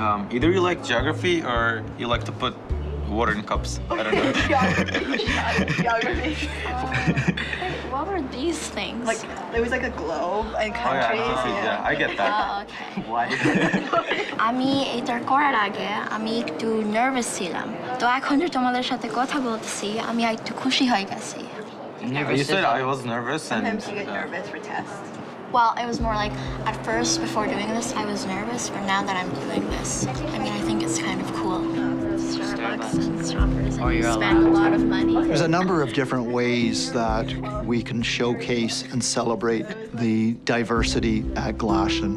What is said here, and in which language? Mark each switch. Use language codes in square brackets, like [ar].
[en] Either you like geography or you like to put water in cups. I don't know. Geography. Geography. What were these things? Like, it was like a globe and countries. Oh, yeah, no, yeah. Yeah, I get that. Oh, okay. Why? [bn] আমি এটার করার আগে আমি একটু nervous ছিলাম তো এখন যে তোমাদের সাথে কথা বলতেছি আমি একটু খুশি হয়ে গেছি [en] You said I was nervous and Sometimes you get nervous for tests Well, it was more like at first before doing this I was nervous but now that I'm doing this I mean I think it's kind of cool There's a number of different ways that we can showcase and celebrate the diversity at Glashan.